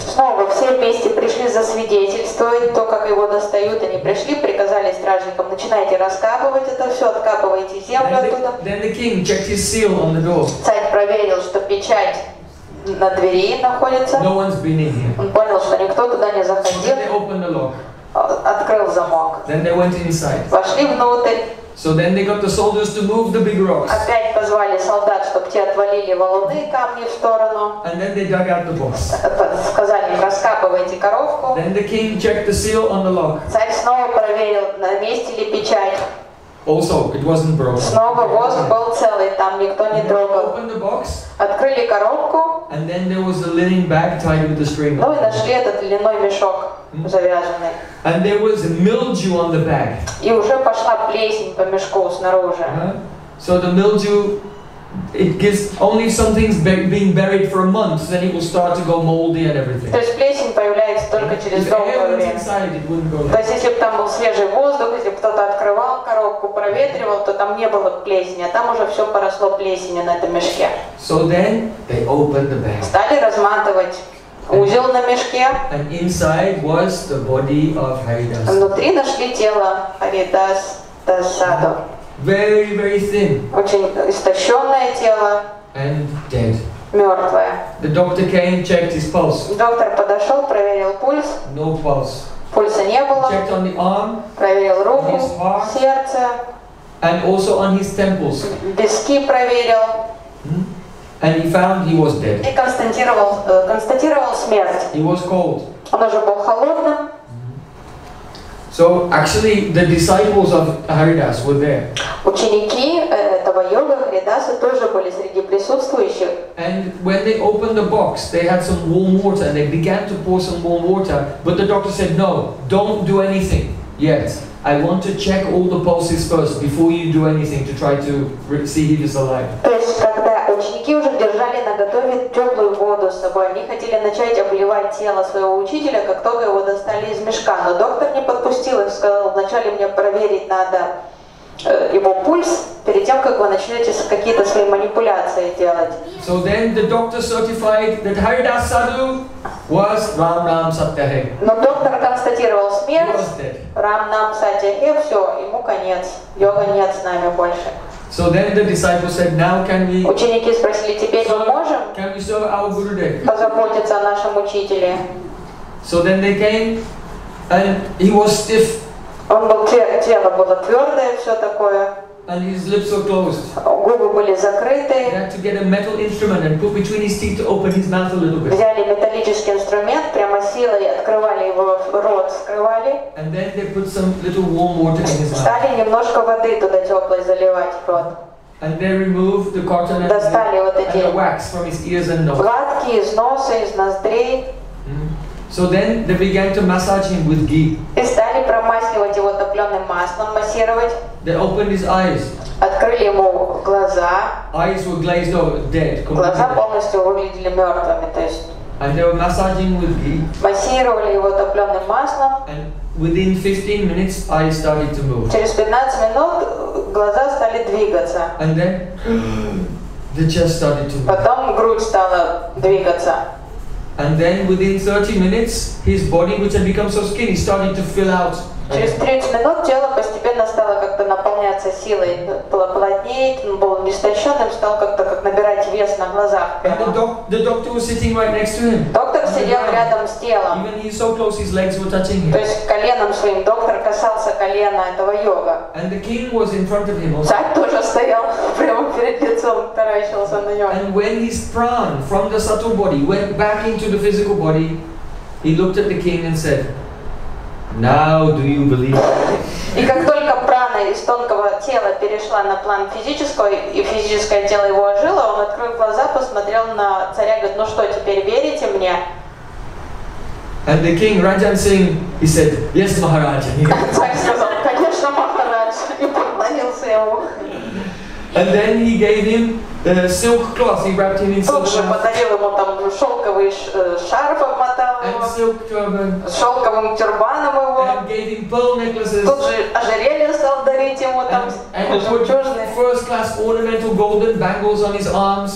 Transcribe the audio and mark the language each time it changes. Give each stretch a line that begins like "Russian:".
Russian: Снова все вместе пришли засвидетельствовать то, как его достают. Они пришли, приказали стражникам: начинайте раскапывать это все, откапывайте землю оттуда.
English: Then the king checked his seal on the door.
Russian: Царь проверил, что печать на двери находится.
English: No one's been in here.
Russian: Он понял, что никто туда не заходил.
English: So they opened the lock.
Russian: Открыл замок.
English: Then they went inside.
Russian: Вошли внутрь.
English: So then they got the soldiers to move the big rocks.
Russian: Опять позвали солдат, чтобы те отвалили валуны, камни в сторону.
English: And then they dug out the box.
Russian: Сказали им: раскапывайте коровку.
English: Then the king checked the seal on the lock.
Russian: Царь снова проверил, на месте ли печать.
English: Also, it wasn't broken.
Russian: Снова воск был целый, там никто не трогал.
English: Opened the box.
Russian: Открыли коробку.
English: And then there was a linen bag tied with a string.
Russian: Ну и нашли этот льняной мешок.
English: And there was mildew on the bag.
Russian: И уже пошла плесень по мешку снаружи.
English: So the mildew, it gets only if something's been buried for a month, then it will start to go moldy and everything.
Russian: То есть плесень появляется только через долгое время. То есть если бы там был свежий воздух, если бы кто-то открывал коробку, проветривал, то там не было плесени, а там уже все поросло плесенью на этом мешке.
English: So then they opened the bag.
Russian: Стали разматывать. Узел на мешке.
English: And inside was the body of Haridas.
Russian: Внутри нашли тело Харидас Дасаду.
English: Very, very thin.
Russian: Очень истощенное тело.
English: And dead.
Russian: Мертвое.
English: The doctor came, checked his pulse.
Russian: Доктор подошел, проверил пульс.
English: No pulse.
Russian: Пульса не было.
English: Checked on the arm.
Russian: Проверил руку, сердце.
English: And also on his temples.
Russian: Виски проверил.
English: And he found he was dead.
Russian: И констатировал смерть.
English: He was cold.
Russian: Он уже был холодным.
English: So actually, the disciples of Haridas were there.
Russian: Ученики этого йога Харидаса тоже были среди присутствующих.
English: And when they opened the box, they had some warm water, and they began to pour some warm water. But the doctor said, "No, don't do anything yet. I want to check all the pulses first before you do anything to try to see if he's alive."
Russian: Ученики уже держали на готове теплую воду с собой. Они хотели начать обливать тело своего учителя, как только его достали из мешка. Но доктор не подпустил их, сказал: вначале мне проверить надо его пульс, перед тем, как вы начнете какие-то свои манипуляции делать.
English: So then the doctor certified that Haridas Sadhu was
Hindi: Ram Nam Satyahe.
Russian: Но доктор констатировал смерть.
Hindi: Рам Нам Сатяхе,
Russian: все, ему конец. Йога нет с нами больше.
English: So then the disciples said, "Now can we?"
Russian: Ученики спросили: теперь мы можем?
English: Can we serve our Gurudev?
Russian: Позаботиться о нашем учителе.
English: So then they came, and he was stiff.
Russian: Он был тело было твердое, все такое.
English: And his lips were closed.
Russian: Губы были закрыты.
English: He had to get a metal instrument and put between his teeth to open his mouth a little bit.
Russian: Взяли металлический инструмент, прямо силой открывали его рот, скрывали.
English: And then they put some little warm water in his mouth.
Russian: Стали немножко воды туда теплой заливать в рот.
English: And they removed the cotton and the wax from his ears and nose.
Russian: Гладки из носа, из ноздрей.
English: So then they began to massage him with ghee.
Russian: И стали промасливать его топленым маслом, массировать.
English: They opened his eyes.
Russian: Открыли ему глаза.
English: Eyes were glazed over, dead.
Russian: Глаза полностью выглядели мертвыми, то есть.
English: And they were massaging with ghee.
Russian: Массировали его топленым маслом.
English: And within 15 minutes, eyes started to move.
Russian: Через 15 минут глаза стали двигаться.
English: And then the chest started to move.
Russian: Потом грудь стала двигаться.
English: And then within 30 minutes, his body, which had become so skinny, started to fill out.
Russian: Через 30 минут тело постепенно стало как-то наполняться силой, было плотнеть, он был истощенным, стал как-то как набирать вес на глазах.
English: The doctor was sitting right next to him.
Russian: Доктор сидел рядом с телом.
English: Even he's so close, his legs were touching him.
Russian: То есть коленом своим доктор касался колена этого йога.
English: And the king was in front of him.
Russian: Царь тоже стоял прямо перед лицом, таращился на него.
English: And when his pran from the subtle body went back into the physical body, he looked at the king and said, "Now do you believe?"
Russian: И как только прана из тонкого тела перешла на план физического, и физическое тело его ожило, он открыл глаза, посмотрел на царя, говорит: "Ну что, теперь верите мне?"
English: And the king Rajan Singh, he said, "Yes, Maharaj."
Russian: Царь сказал: "Конечно, Махарадж." И поклонился ему.
English: And then he gave him the silk cloth. He wrapped him in silk cloth.
Russian: Тут же подарил ему там шелковый шарф, обмотал его.
English: And silk turban.
Russian: Шелковым тюрбаном его.
English: And gave him pearl necklaces.
Russian: Тут же ожерелье стал дарить ему там.
English: And put first class ornamental golden bangles on his arms.